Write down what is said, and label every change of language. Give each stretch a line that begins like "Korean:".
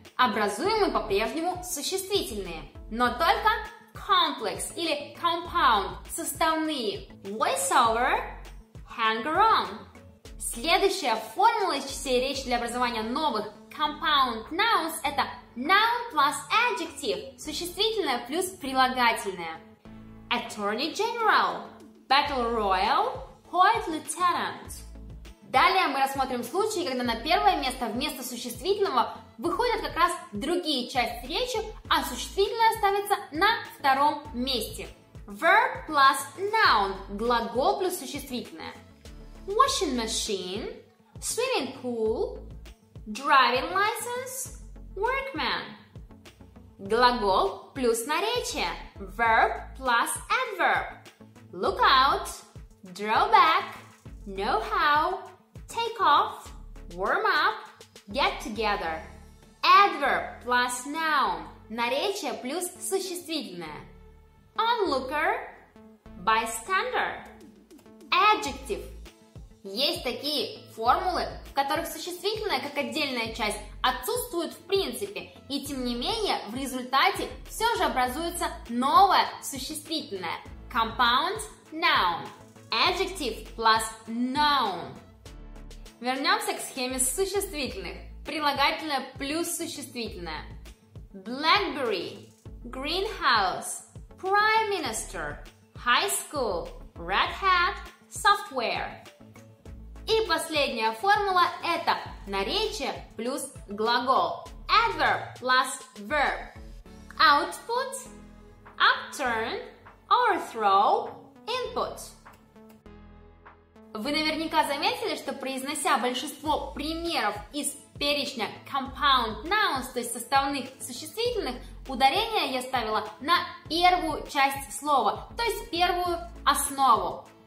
Russian: Образуем мы по-прежнему существительные, но только complex или compound – составные.
English: Voiceover, hanger on.
Russian: Следующая формула из частей речи для образования новых
English: compound nouns
Russian: – это
English: noun plus adjective
Russian: – существительное плюс прилагательное.
English: Attorney general, battle royal – Poet Lieutenant.
Russian: Далее мы рассмотрим случаи, когда на первое место вместо существительного выходят как раз другие части речи, а существительное ставится на втором месте.
English: Verb plus noun –
Russian: глагол плюс существительное.
English: Washing machine, swimming pool, driving license, workman.
Russian: Глагол плюс наречие –
English: verb plus adverb. Look out. Draw back, know how, take off, warm up, get together. Adverb plus noun,
Russian: наречие плюс существительное.
English: Onlooker, bystander, adjective.
Russian: Есть такие формулы, в которых существительное как отдельная часть отсутствует в принципе, и тем не менее в результате все же образуется новое существительное.
English: Compound noun. Adjective plus noun.
Russian: Вернемся к схеме существительных. Прилагательное плюс существительное.
English: Blackberry, greenhouse, prime minister, high school, red hat, software.
Russian: И последняя формула – это наречие плюс глагол.
English: Adverb plus verb. Output, upturn, overthrow, input.
Russian: Вы наверняка заметили, что произнося большинство примеров из перечня
English: compound nouns,
Russian: то есть составных существительных, ударение я ставила на первую часть слова, то есть первую основу.